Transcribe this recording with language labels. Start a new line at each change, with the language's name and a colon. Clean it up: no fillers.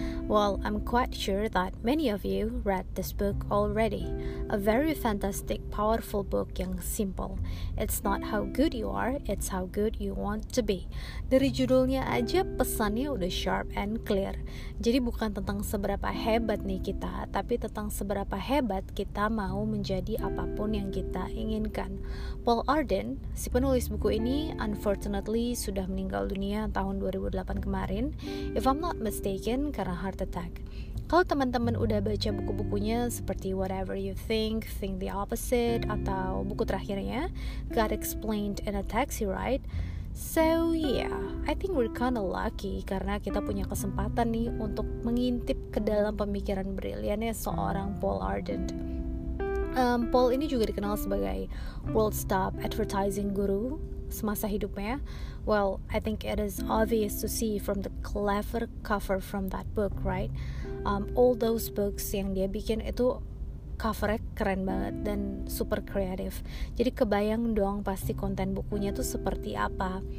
English: Well, I'm quite sure that many of you read this book already. A very fantastic, powerful book yang simple. It's not how good you are, it's how good you want to be.
Indonesian: Dari judulnya aja, pesannya udah
English: sharp and clear.
Indonesian: Jadi bukan tentang seberapa hebat nih kita, tapi tentang seberapa hebat kita mau menjadi apapun yang kita inginkan. Paul Arden, si penulis buku ini, unfortunately sudah meninggal dunia tahun 2008 kemarin.
English: If I'm not mistaken,
Indonesian: karena heart attack. Kalau teman-teman udah baca buku-bukunya seperti Whatever You Think, Think the Opposite, atau buku terakhirnya, God Explained in a Taxi Ride,
English: so yeah, I think we're kinda lucky
Indonesian: karena kita punya kesempatan nih untuk mengintip ke dalam pemikiran briliannya seorang Paul Arden. Paul ini juga dikenal sebagai World's Top Advertising Guru semasa hidupnya.
English: Well, I think it is obvious to see from the clever cover from that book, right?
Indonesian: All those books yang dia bikin itu covernya keren banget dan
English: super creative.
Indonesian: Jadi kebayang dong pasti konten bukunya tuh seperti apa.